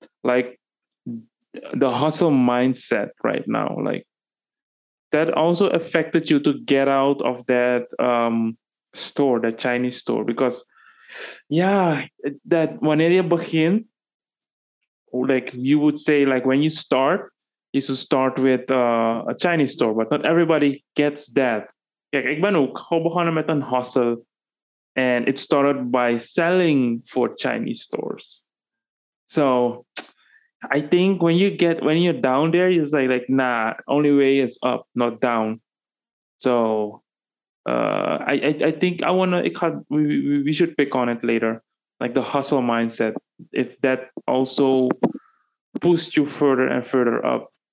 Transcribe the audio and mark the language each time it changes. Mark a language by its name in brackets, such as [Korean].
[English] Like, the hustle mindset right now, like, that also affected you to get out of that store, that Chinese store. Because, yeah, that [Dutch] wanneer je begin, [English] like, you would say, like, when you start, is to start with a Chinese store, but not everybody gets that. [Dutch] Kijk, ik ben ook begonnen met een hustle, [English] and it started by selling for Chinese stores. So I think when you're down there, it's like nah, only way is up, not down. So I think we should pick on it later, like the hustle mindset, if that also pushed you further and further up.